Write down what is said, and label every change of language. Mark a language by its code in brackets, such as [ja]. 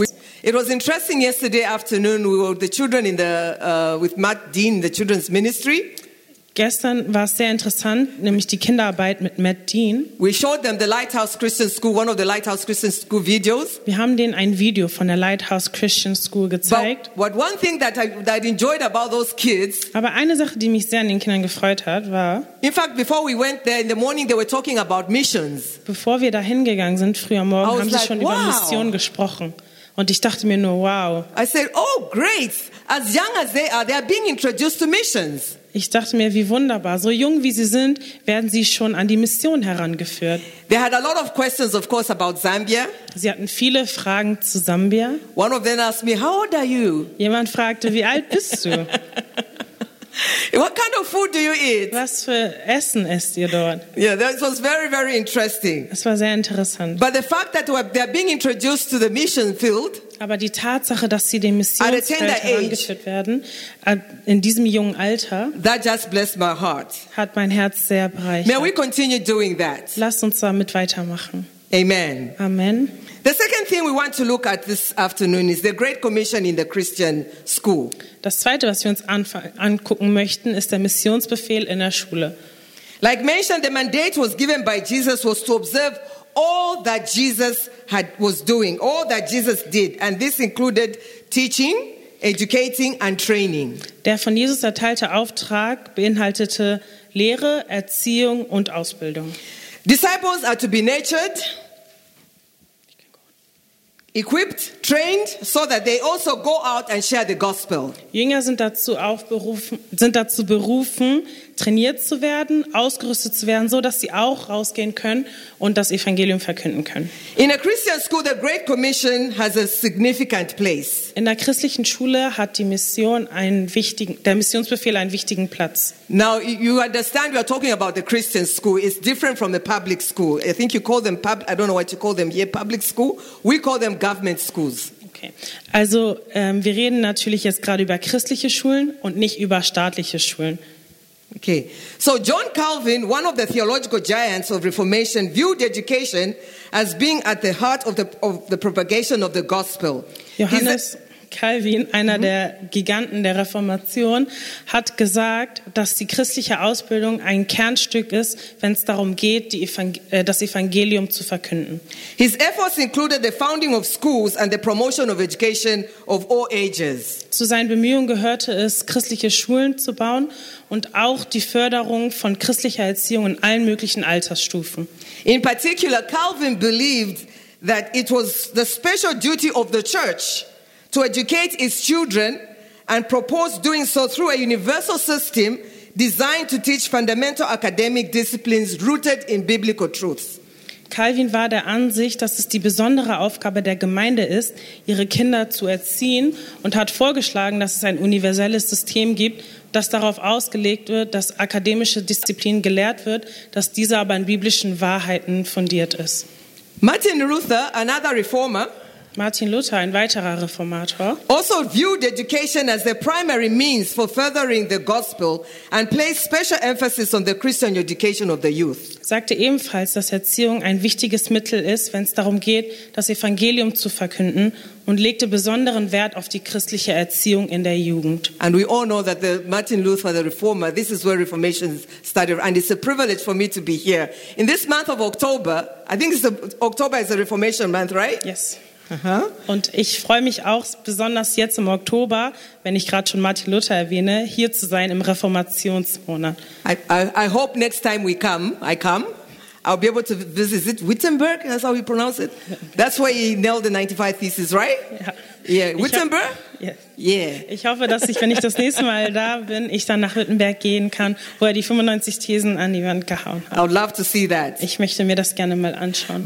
[en] It was interesting yesterday afternoon. We were the children in the with Matt Dean, the children's ministry. [de] Gestern war es sehr interessant, nämlich die Kinderarbeit mit Matt Dean. [en] We showed them the Lighthouse Christian School, one of the Lighthouse Christian School videos. [de] Wir haben denen ein Video von der Lighthouse Christian School gezeigt. [en] But one thing that I enjoyed about those kids. [de] Aber eine Sache, die mich sehr an den Kindern gefreut hat, war. [en] In fact, before we went there in the morning, they were talking about missions. [de] Bevor wir da hingegangen sind, früh am Morgen, haben sie schon über Mission gesprochen. Und ich dachte mir nur, wow. [en] I said, oh great, as young as they are being introduced to missions. [de] Ich dachte mir, wie wunderbar, so jung wie sie sind, werden sie schon an die Mission herangeführt. [en] They had a lot of questions, of course, about Zambia. [de] Sie hatten viele Fragen zu Sambia. [en] One of them asked me, how old are you? [de] Jemand fragte, wie alt bist du? [en] What kind of food do you eat? [de] Was für Essen esst ihr dort? [en] Yeah, that was very, very interesting. [de] Es war sehr interessant. [en] But the fact that they are being introduced to the mission field. [de] Aber die Tatsache, dass sie dem Missionsfeld herangeführt werden, in diesem jungen Alter, [en] that just blessed my heart. [de] Hat mein Herz sehr bereichert. [en] May we continue doing that? [de] Lasst uns damit weitermachen. [en] Amen. [de] Amen. [en] The second thing we want to look at this afternoon is the Great Commission in the Christian school. [de] Das zweite, was wir uns angucken möchten, ist der Missionsbefehl in der Schule. [en] Like mentioned, the mandate was given by Jesus was to observe all that Jesus was doing, all that Jesus did, and this included teaching, educating and training. [de] Der von Jesus erteilte Auftrag beinhaltete Lehre, Erziehung und Ausbildung. [en] Disciples are to be nurtured, equipped, trained, so that they also go out and share the gospel. [de] Jünger sind dazu berufen, trainiert zu werden, ausgerüstet zu werden, so dass sie auch rausgehen können und das Evangelium verkünden können. [en] In a Christian school, the Great Commission has a significant place. [de] In der christlichen Schule hat der Missionsbefehl einen wichtigen Platz. [en] Now you understand we are talking about the Christian school. It's different from the public school. I think you call them I don't know what you call them here, public school. We call them government schools. Okay. [de] Also wir reden natürlich jetzt gerade über christliche Schulen und nicht über staatliche Schulen. [en] Okay. So John Calvin, one of the theological giants of Reformation, viewed education as being at the heart of the propagation of the gospel. [de] Calvin, einer der Giganten der Reformation, hat gesagt, dass die christliche Ausbildung ein Kernstück ist, wenn es darum geht, das Evangelium zu verkünden. [en] His efforts included the founding of schools and the promotion of education of all ages. [de] Zu seinen Bemühungen gehörte es, christliche Schulen zu bauen und auch die Förderung von christlicher Erziehung in allen möglichen Altersstufen. [en] In particular, Calvin believed that it was the special duty of the church to educate its children and propose doing so through a universal system designed to teach fundamental academic disciplines rooted in biblical truths. [de] Calvin war der Ansicht, dass es die besondere Aufgabe der Gemeinde ist, ihre Kinder zu erziehen, und hat vorgeschlagen, dass es ein universelles System gibt, das darauf ausgelegt wird, dass akademische Disziplin gelehrt wird, dass diese aber in biblischen Wahrheiten fundiert ist. [en] Martin Luther, another reformer, [de] Martin Luther, ein weiterer Reformator, [en] also viewed education as the primary means for furthering the gospel and placed special emphasis on the Christian education of the youth. [de] Sagte ebenfalls, dass Erziehung ein wichtiges Mittel ist, wenn es darum geht, das Evangelium zu verkünden, und legte besonderen Wert auf die christliche Erziehung in der Jugend. [en] And we all know that the Martin Luther, the reformer, this is where Reformation started, and it's a privilege for me to be here in this month of October. I think October is a Reformation month, right? Yes. [de] Und ich freue mich auch besonders jetzt im Oktober, wenn ich gerade schon Martin Luther erwähne, hier zu sein im Reformationsmonat. [en] I hope next time we come, I come, I'll be able to visit, is it Wittenberg, that's how we pronounce it? That's where he nailed the 95 Theses, right? [de] Ja. [en] Yeah, Wittenberg? Yes. Yeah. [de] Ich hoffe, dass ich, wenn ich das nächste Mal da bin, ich dann nach Wittenberg gehen kann, wo er die 95 Thesen an die Wand gehauen hat. [en] I would love to see that. [de] Ich möchte mir das gerne mal anschauen.